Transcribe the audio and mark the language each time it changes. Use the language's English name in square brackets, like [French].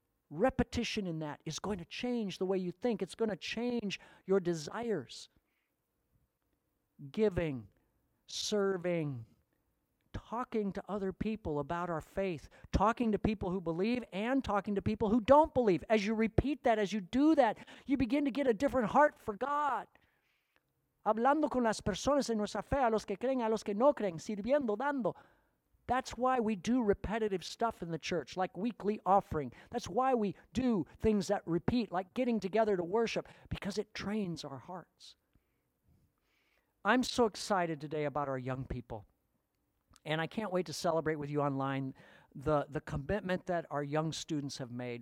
[English] Repetition in that is going to change the way you think. It's going to change your desires. Giving, serving, talking to other people about our faith, talking to people who believe and talking to people who don't believe. As you repeat that, as you do that, you begin to get a different heart for God. [Spanish] Hablando con las personas en nuestra fe, a los que creen, a los que no creen, sirviendo, dando. [English] That's why we do repetitive stuff in the church, like weekly offering. That's why we do things that repeat, like getting together to worship, because it trains our hearts. I'm so excited today about our young people. And I can't wait to celebrate with you online the commitment that our young students have made.